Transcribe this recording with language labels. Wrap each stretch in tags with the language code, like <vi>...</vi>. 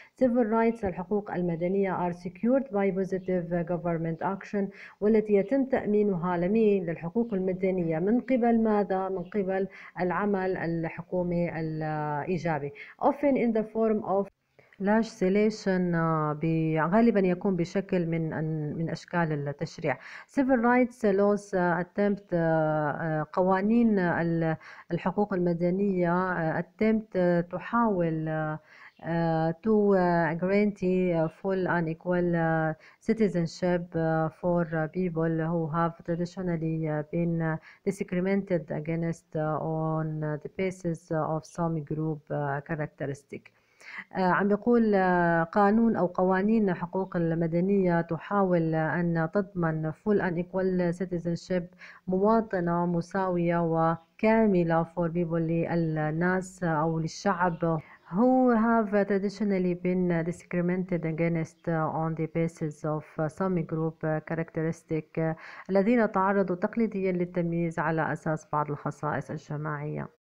<en>Civil rights</en> <ar>الحقوق المدنية</ar> <en>are secured by positive government action</en> <ar>والتي يتم تأمينها لمين؟ للحقوق المدنية من قبل ماذا؟ من قبل العمل الحكومي الإيجابي.</ar> <en>Often in the form of legislation</en> <ar>غالبا يكون بشكل من أشكال التشريع.</ar> <en>Civil rights laws attempt</en> <ar>قوانين الحقوق المدنية</ar> <en>attempt</en> <ar>تحاول</ar> <en>to guarantee full and equal citizenship for people who have traditionally been discriminated against on the basis of some group characteristic.</en> <ar>عم بيقول قانون أو قوانين حقوق المدنية تحاول أن تضمن</ar> <en>full and equal citizenship</en> <ar>مواطنة مساوية وكاملة</ar> <en>for people</en> <ar>للناس أو للشعب</ar> <en>who have traditionally been discriminated against on the basis of some group characteristic</en> <ar>الذين تعرضوا تقليديا للتمييز على أساس بعض الخصائص الجماعية.</ar>